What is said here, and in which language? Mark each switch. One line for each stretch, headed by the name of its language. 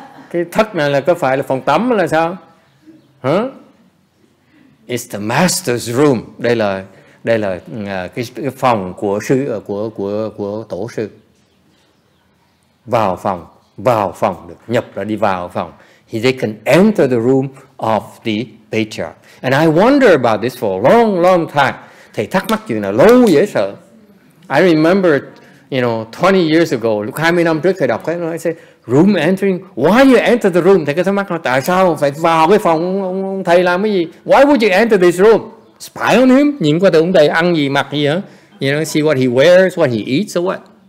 Vietnamese: Cái thất này là có phải là phòng tắm là sao? Hả?
English: It's the master's room.
Vietnamese: Đây là cái phòng của sư của tổ sư. Vào phòng được nhập là đi vào phòng.
English: He, they can enter the room of the patriarch. And I wonder about this for a long, long time.
Vietnamese: Thầy thắc mắc chuyện này lâu dễ sợ.
English: I remember, you know, 20 years ago,
Vietnamese: lúc 20 năm trước thầy đọc cái,
English: I say, room entering, why you enter the room?
Vietnamese: Thầy cứ thắc mắc là tại sao phải vào cái phòng ông thầy làm cái gì?
English: Why would you enter this room? Spy on him?
Vietnamese: Nhìn qua thầy ông thầy ăn gì, mặc gì hả?
English: You know, see what he wears, what he eats, or what?